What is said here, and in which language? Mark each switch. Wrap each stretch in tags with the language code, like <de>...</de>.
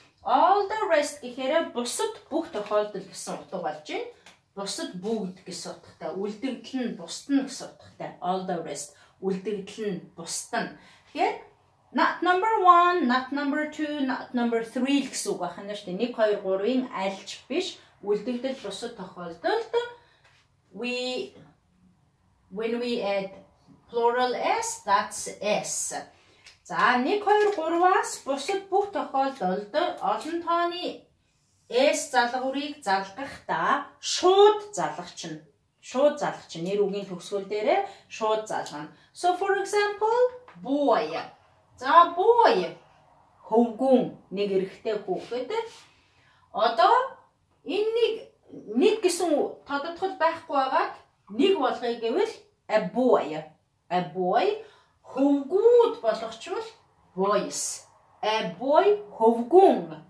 <en>All the rest</en> <mn>гэхээр бусад бүх тохиолдол гэсэн утга болж байна. Бусад бүгд гэсэн утгатай. Үлдэгдэл нь бусд нь гэсэн утгатай.</mn> <en>All the rest.</en> <mn>Үлдэгдэл нь бусд нь.</mn> <en>Тэгэхээр not number 1, not number 2, not number 3</en> <mn>гэсэн үг байна шүү дээ. 1 2 3-ийн альч биш. Үлдэгдэл бусад тохиолдолд</mn> <en>when we add plural s, that's s.</en> <mn>За 1 2 3-аас бусад бүх тохиолдолд олон тооны S залгуурыг залгахдаа шууд залгачна. Шууд залгачна. Нэр үгийн төгсгөл дээрээ шууд залгана.</mn> <en>So for example, boy. За boy.</en> <mn>Хөвгүүн нэг эрэгтэй хүүхэд. Одоо энэ нэг гэсэн тодорхой байхгүй байгааг нэг болгоё гэвэл a boy.</mn> <en>A boy.</en> <mn>Хөвгүүд болгочвол boys.</mn> <en>A boy хөвгүүн.</en>